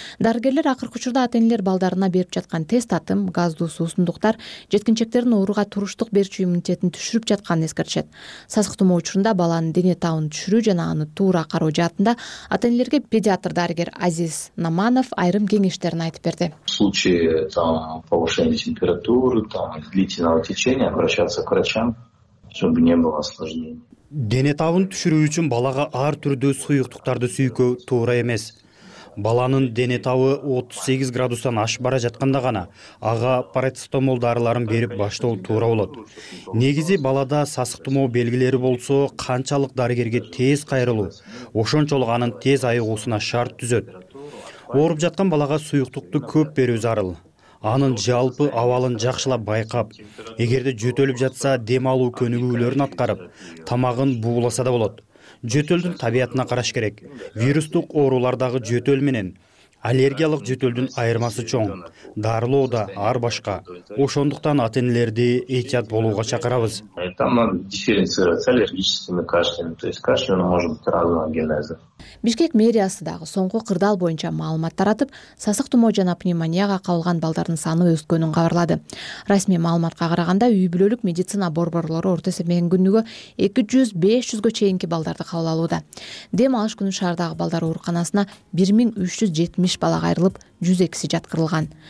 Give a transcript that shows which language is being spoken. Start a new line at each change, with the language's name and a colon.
Kyrgyz: Дарыгерлер акыркы учурда ата-энелер балдарына берип жаткан тест атым, газдуу суусундуктар жеткинчектердин ооруга туруштук берчү иммунитетин түшүрүп жатканын эскертишет. Сасык тумоо учурунда баланын дене табын түшүрүү жана аны туура кароо жаатында ата-энелерге педиатр дарыгер Азиз Наманов айрым кеңештерин айтып берди.
Russian: В случае повышения температуры, длительного течения обращаться к врачам, чтобы не было осложнений.
Kyrgyz: Дене табын түшүрүү үчүн балага ар түрдүү суюктуктарды сүйкөө туура эмес. Баланын дене табы 38 градустан ашып бара жатканда гана ага парацетамол дарыларын берип баштоо туура болот. Негизи балада сасык тумоо белгилери болсо канчалык дарыгерге тез кайрылуу, ошончолук анын тез айыгуусуна шарт түзөт. Ооруп жаткан балага суюктукту көп берүү зарыл. Анын жалпы абалын жакшылап байкап, эгерде жөтөлүп жатса дем алуу көнүгүүлөрүн аткарып, тамагын бууласа да болот. Жөтөлдүн табиятына караш керек. Вирустук оорулардагы жөтөл менен Аллергиялык жөтөлдүн айырмасы чоң. Дарылоо да ар башка. Ошондуктан ата-энелерди эхтият болууга чакырабыз.
Russian: Там дифференцироваться аллергическими кашлями. То есть кашель он может быть разного генеза.
Kyrgyz: Бишкек мэриясы дагы соңку кырдаал боюнча маалымат таратып, сасык тумоо жана пневмонияга кабылган балдардын саны өскөнүн кабарлады. Расмий маалыматка караганда үй бүлөлүк медицина борборлору орто эсепмен күнүгө 200-500 чейинки балдарды кабыл алууда. Дем алыш күнү шаардагы балдар ооруканасына 1370 бала кайрылып, 102 жаткырылган.